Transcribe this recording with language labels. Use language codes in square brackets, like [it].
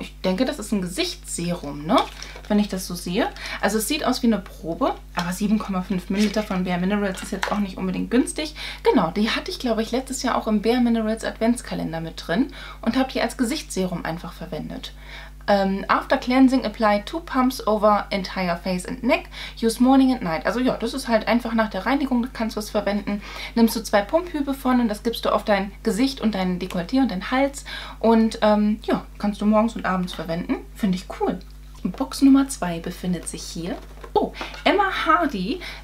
[de] Ich denke, das ist ein Gesichtsserum, ne? Wenn ich das so sehe. Also es sieht aus wie eine Probe, aber 7,5 Milliliter von Bare Minerals ist jetzt auch nicht unbedingt günstig. Genau, die hatte ich, glaube ich, letztes Jahr auch im Bare Minerals Adventskalender mit drin und habe die als Gesichtsserum einfach verwendet. [en] After cleansing, apply 2 pumps over entire face and neck. Use morning and night. [de] Also ja, das ist halt einfach nach der Reinigung, du kannst was verwenden. Nimmst du 2 Pumphübe von und das gibst du auf dein Gesicht und dein Dekolleté und deinen Hals. Und kannst du morgens und abends verwenden. Finde ich cool. Box Nummer 2 befindet sich hier. Oh, Emma Hardy.